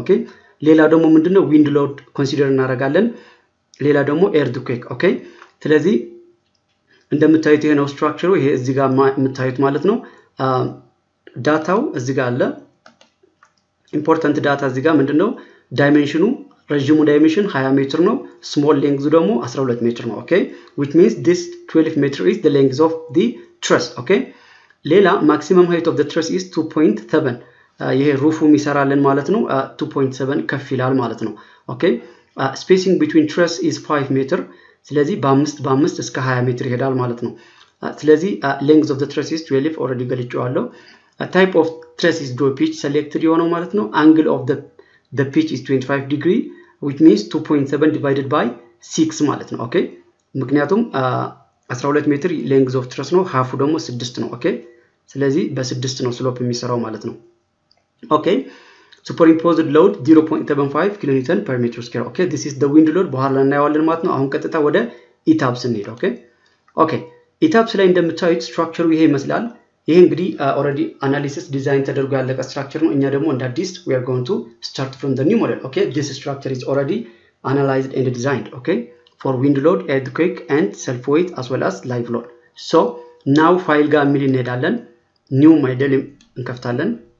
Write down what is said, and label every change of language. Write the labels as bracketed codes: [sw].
[am] ኦኬ, ሌላ ደግሞ ምንድነው wind load consider እናደርጋለን. ሌላ ደግሞ earthquake. ኦኬ, ስለዚህ እንደምታዩት ይሄ ነው structure. ይሄ እዚህ ጋር የምታዩት ማለት ነው ዳታው እዚህ ጋር አለ. important data እዚህ ጋር ምንድነው dimensionu ረጅሙ dimension 20 meter ነው, small lengthu ደግሞ 12 meter ነው. [en] ኦኬ, which means this 12 meter is the length of the truss. ኦኬ, ሌላ maximum height of the truss is 2.7. [am] ይሄ ሩፉ ሚሰራለን ማለት ነው 2.7 ከፍ ይላል ማለት ነው. ኦኬ, [en] ስፔሲንግ ቢትዊን ትረስ ኢዝ 5 ሜትር, [am] ስለዚህ በ5 እስከ 20 ሜትር ይሄዳል ማለት ነው. [en] ስለዚህ ሌንግዝ ኦፍ ዘ ትረስ ኢዝ 12 ኦልሬዲ ገልጬዋለሁ. ታይፕ ኦፍ ትረስ ኢዝ ዶል ፒች ሴሌክትድ [am] የሆነው ማለት ነው. [en] አንግል ኦፍ ዘ ፒች ኢዝ 25 ዲግሪ, which means 2.7 ዲቫይደድ ባይ 6 [am] ማለት ነው. ኦኬ, ምክንያቱም 12 ሜትር [en] ሌንግዝ ኦፍ ትረስ [am] ነው, ሃፉ ደግሞ 6 ነው. ኦኬ, ስለዚህ በ6 ነው ስሎፕ የሚሰራው ማለት ነው. [en] Okay, superimposed load 0.75 kN per meter square. Okay, this is the wind load. [am] በኋላ እናየዋለን ማለት ነው. አሁን ቀጥታ ወደ ETABS እንሂድ. Okay, ETABS ላይ እንደምታዩት structure ይሄ ይመስላል. ይሄ እንግዲህ already analysis design ተደርጎ ያለቀ structure ነው. እኛ ደግሞ እንደ አዲስ [en] we are going to start from the new model. Okay, this structure is already analyzed and designed. Okay, for wind load, earthquake and self weight as well as live load. [am] So, now file ጋር ምን እንሄዳለን? New model እንከፍታለን.